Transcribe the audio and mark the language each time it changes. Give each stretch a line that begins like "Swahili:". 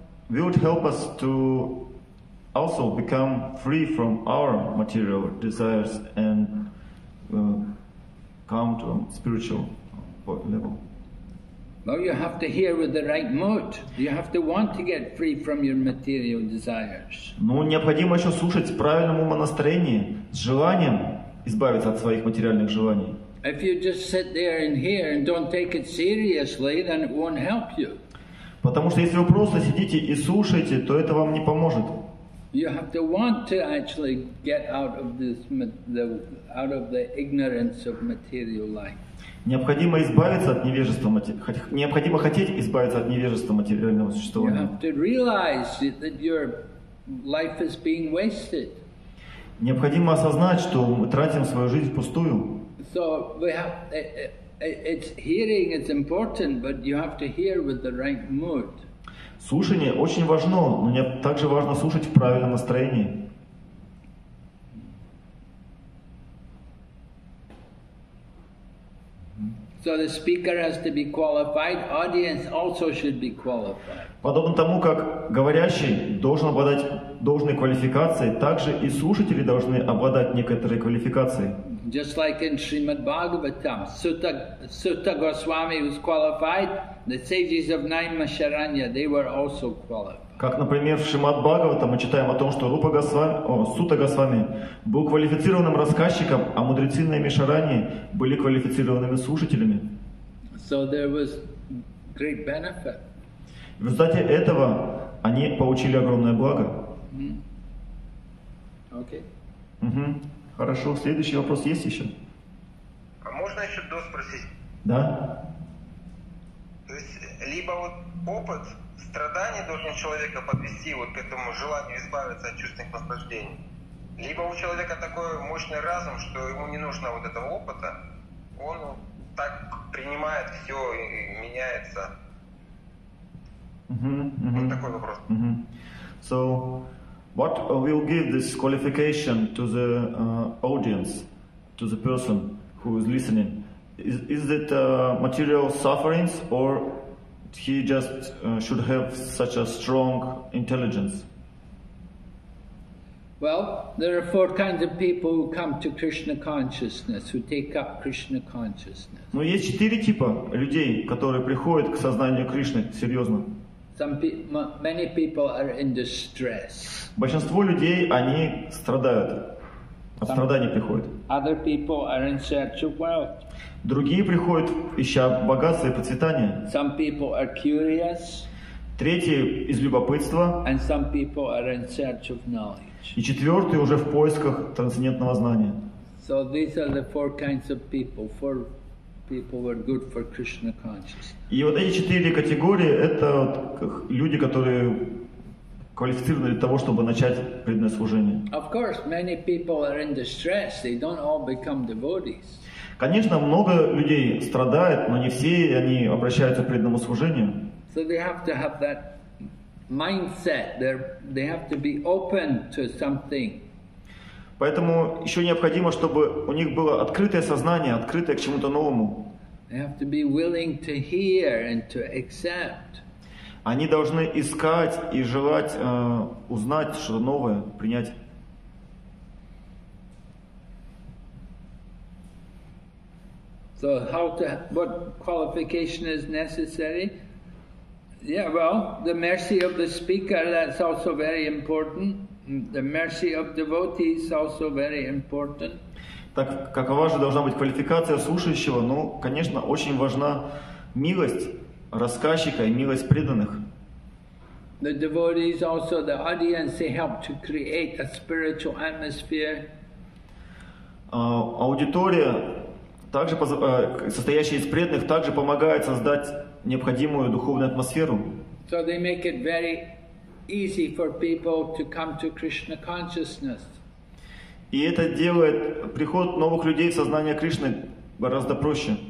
English: Will it help us to also become free from our material desires and come to a spiritual level? Well, you have to hear with the right mood. You have to want to get free from your material desires.
Russian: Ну, необходимо еще слушать с правильным умонастроением, с желанием избавиться от своих материальных желаний.
English: If you just sit there and hear and don't take it seriously, then it won't help you.
Russian: Потому что если вы просто сидите и слушаете, то это вам не поможет.
English: You have to want to actually get out of the ignorance of material life.
Russian: Необходимо хотеть избавиться от невежества материального существования.
English: You have to realize that your life is being wasted.
Russian: Необходимо осознать, что мы тратим свою жизнь впустую.
English: So we have, it's hearing is important, but you have to hear with the right mood.
Russian: Слушание очень важно, но также важно слушать в правильном настроении.
English: So the speaker has to be qualified, audience also should be qualified.
Russian: Подобно тому, как говорящий должен обладать должной квалификацией, также и слушатели должны обладать некоторой квалификацией.
English: Just like in Srimad Bhagavatam, Sutta Goswami was qualified, the sages of Naimasharanya, they were also qualified.
Russian: Как, например, в Шримад Бхагаватам мы читаем о том, что Сутта Госвами был квалифицированным рассказчиком, а мудрецы Наймишарани были квалифицированными слушателями.
English: So there was great benefit.
Russian: В результате этого они получили огромное благо. Mm-hmm.
English: Okay. Uh-huh.
Russian: Хорошо, следующий вопрос есть еще? А можно еще доспросить? Да. То есть, либо вот опыт... Страдание должно человека подвести вот к этому желанию избавиться от чувственных наслаждений. Либо у человека такой мощный разум, что ему не нужно вот этого опыта, он так принимает все и меняется. Mm-hmm. Вот такой вопрос. Mm-hmm.
English: So, what will give this qualification to the audience, to the person who is listening? Is it material sufferings or he just should have such a strong intelligence? Well, there are four kinds of people who come to Krishna consciousness, who take up Krishna consciousness.
Russian: Но есть четыре типа людей, которые приходят к сознанию Кришны серьезно.
English: Many people are in distress.
Russian: Большинство людей, они страдают. От страданий приходят.
English: Other people are in search of wealth.
Russian: Другие приходят, ища богатства и процветания.
English: Some people are curious.
Russian: Третьи из любопытства.
English: And some people are in search of knowledge.
Russian: И четвертые уже в поисках трансцендентного знания.
English: So these are the four kinds of people. Four people were good for Krishna consciousness.
Russian: И вот эти четыре категории — это люди, которые квалифицированы для того, чтобы начать преданное служение.
English: Of course, many people are in distress. They don't all become devotees.
Russian: Конечно, много людей страдает, но не все они обращаются к преданному служению.
English: So they have to have that mindset. They have to be open to something.
Russian: Поэтому еще необходимо, чтобы у них было открытое сознание, открытое к чему-то новому.
English: They have to be willing to hear and to accept.
Russian: Они должны искать и желать узнать что-то новое, принять.
English: So how to, what qualification is necessary? Yeah, well, the mercy of the speaker, that's also very important. The mercy of devotees also very important.
Russian: Так, какова же должна быть квалификация слушающего? Ну, конечно, очень важна милость рассказчика и милость преданных.
English: The devotees also, the audience, they help to create a spiritual atmosphere.
Russian: Аудитория, также состоящая из преданных, также помогает создать необходимую духовную атмосферу.
English: So they make it very easy for people to come to Krishna consciousness.
Russian: И это делает приход новых людей в сознание Кришны гораздо проще.